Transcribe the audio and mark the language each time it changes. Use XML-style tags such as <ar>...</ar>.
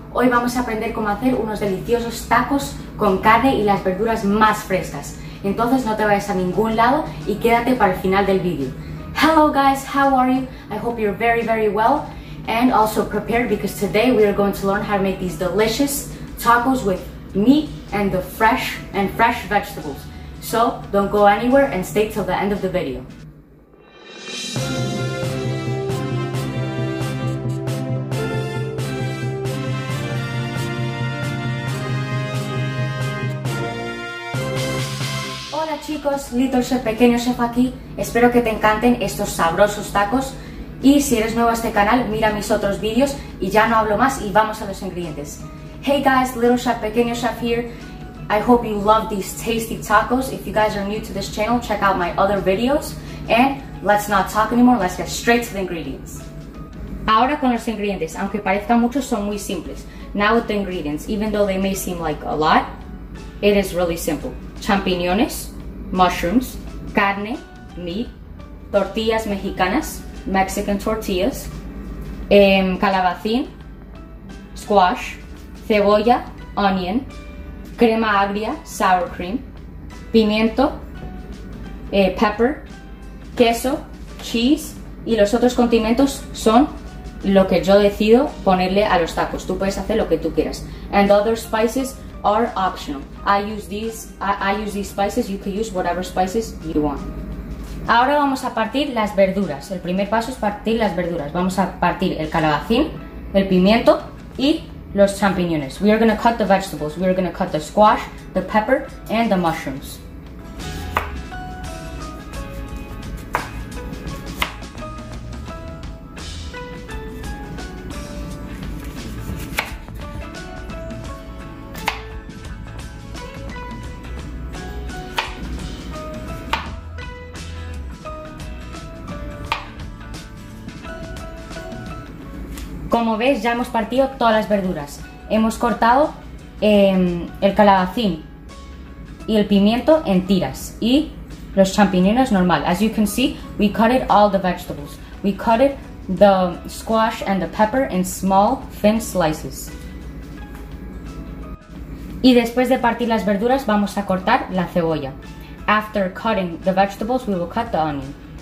<es>Hoy vamos a aprender cómo hacer unos deliciosos tacos con carne y las verduras más frescas. Entonces no te vayas a ningún lado y quédate para el final del vídeo.</es> <en>Hello guys, how are you? I hope you're very very well and also prepared because today we are going to learn how to make these delicious tacos with meat and the fresh vegetables. So don't go anywhere and stay till the end of the video.</en> <es>Chicos, Little Chef, Pequeño Chef aquí. Espero que te encanten estos sabrosos tacos. Y si eres nuevo a este canal, mira mis otros vídeos y ya no hablo más y vamos a los ingredientes.</es> <en>Hey guys, Little Chef, Pequeño Chef here. I hope you love these tasty tacos. If you guys are new to this channel, check out my other videos. And let's not talk anymore, let's get straight to the ingredients.</en> <es>Ahora con los ingredientes, aunque parezca mucho, son muy simples.</es> <en>Now with the ingredients, even though they may seem like a lot, it is really simple.</en> <es>Champiñones, mushrooms, carne, meat, tortillas mexicanas, Mexican tortillas, calabacín, squash, cebolla, onion, crema agria, sour cream, pimiento, pepper, queso, cheese, y los otros condimentos son lo que yo decido ponerle a los tacos. Tú puedes hacer lo que tú quieras.</es> <en>And other spices are optional. I use these spices, you can use whatever spices you want.</en> <es>Ahora vamos a partir las verduras. El primer paso es partir las verduras. Vamos a partir el calabacín, el pimiento y los champiñones.</es> <en>We are going to cut the vegetables. We are going to cut the squash, the pepper and the mushrooms.</en> <es>Como ves, ya hemos partido todas las verduras. Hemos cortado el calabacín y el pimiento en tiras y los champiñones normal.</es> <en>As you can see, we cut it all the vegetables. We cut it the squash and the pepper in small thin slices.</en> <es>Y después de partir las verduras, vamos a cortar la cebolla.</es> <en>After cutting the vegetables, we will cut the onion.</en>